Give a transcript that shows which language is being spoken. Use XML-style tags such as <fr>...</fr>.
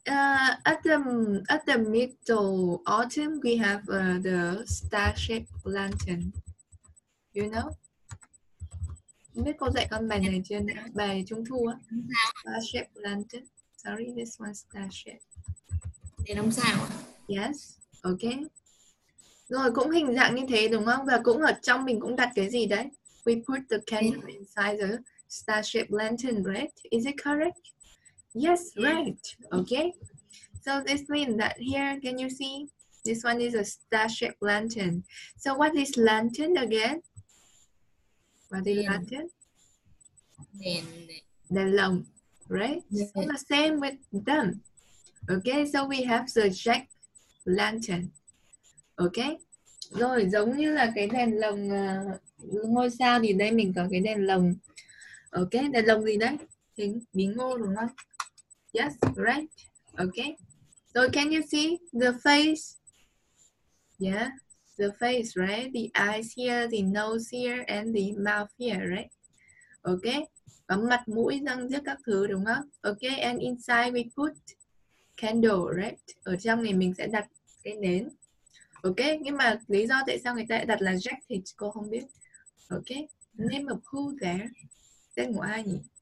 <en>At the middle autumn, we have the star-shaped lantern. You know?</en> <vi>Không biết cô dạy con bài này chưa? Bài Trung Thu á.</vi> <en>Star-shaped lantern. Sorry, this one star-shaped.</en> <vi>Để làm sao?</vi> <en>Yes, okay.</en> <vi>Rồi cũng hình dạng như thế đúng không? Và cũng ở trong mình cũng đặt cái gì đấy?</vi> <en>We put the candle inside the star-shaped lantern, right? Is it correct? Yes, right. Okay. So this means that here, can you see? This one is a star-shaped lantern. So what is lantern again? What is lantern? The lamp, right? So the same with them. Okay, so we have the jack lantern. Okay.</en> <vi>Rồi giống như là cái đèn lồng ngôi sao thì đây mình có cái đèn lồng. Okay, đèn lồng gì đấy? Hình bí ngô đúng không? Yes, right. Okay.</vi> <en>So can you see the face? Yeah, the face, right? The eyes here, the nose here and the mouth here, right? Okay.</en> <vi>Có mặt, mũi, răng, giữa các thứ đúng không?</vi> <en>Okay, and inside we put candle, right?</en> <vi>Ở trong này mình sẽ đặt cái nến. Ok, nhưng mà lý do tại sao người ta đặt là Jack thì cô không biết.</vi> <en>Ok, name of who there?</en> <vi>Tên của ai nhỉ?</vi>